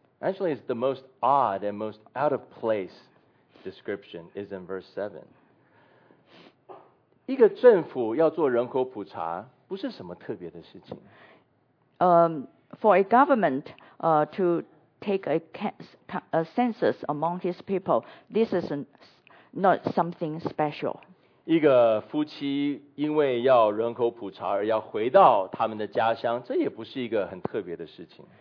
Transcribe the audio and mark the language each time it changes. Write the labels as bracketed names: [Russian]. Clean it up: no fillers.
[English] Actually, it's the most odd and most out of place description is in verse 7. [Chinese] 一个政府要做人口普查不是什么特别的事情。 [English] For a government to take a census among his people, this is not something special. [Chinese] 一个夫妻因为要人口普查而要回到他们的家乡，这也不是一个很特别的事情。